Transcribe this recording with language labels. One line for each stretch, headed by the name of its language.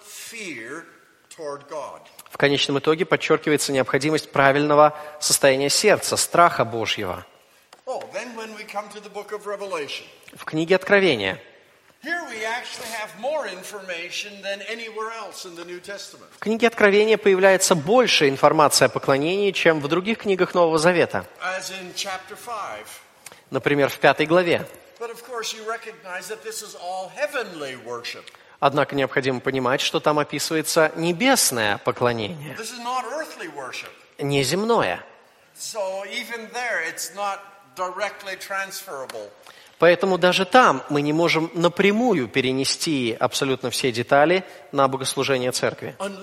Russian: В конечном итоге подчеркивается необходимость правильного состояния сердца, страха Божьего. В книге Откровения.
English: Here we actually have more information than anywhere else in the New Testament.
Russian: В книге Откровения появляется больше информации о поклонении, чем в других книгах Нового Завета.
English: As in chapter 5.
Russian: Например, в пятой главе.
English: But of course you recognize that this is all heavenly worship.
Russian: Однако необходимо понимать, что там описывается небесное поклонение.
English: This is not earthly worship.
Russian: Неземное.
English: So even there it's not directly transferable.
Russian: Поэтому даже там мы не можем напрямую перенести абсолютно все детали на богослужение церкви.